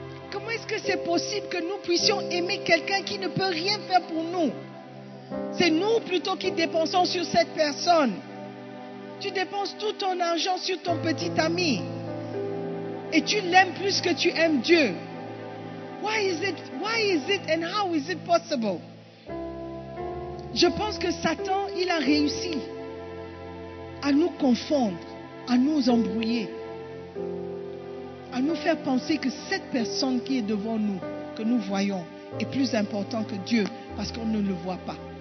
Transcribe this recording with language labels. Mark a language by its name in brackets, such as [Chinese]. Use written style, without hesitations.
[French] Comment est-ce que c'est possible que nous puissions aimer quelqu'un qui ne peut rien faire pour nous? C'est nous plutôt qui dépensons sur cette personne. Tu dépenses tout ton argent sur ton petit ami. Et tu l'aimes plus que tu aimes Dieu. [English] Why is it and how is it possible? [French] Je pense que Satan, il a réussi à nous confondre, à nous embrouiller, à nous faire penser que cette personne qui est devant nous, que nous voyons, est plus importante que Dieu parce qu'on ne le voit pas.